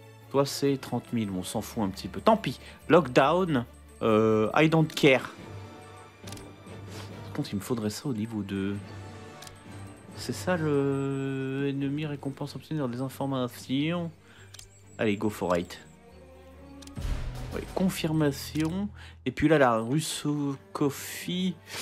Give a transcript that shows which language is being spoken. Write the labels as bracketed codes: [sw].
[fr] Toi, c'est 30 000, on s'en fout un petit peu. Tant pis, [en] lockdown, I don't care. [fr] Par contre, il me faudrait ça au niveau 2. C'est ça le ennemi récompense obtenir des informations. Allez, [en] go for it. [fr] Ouais, confirmation. Et puis là, la Russo-Kofi.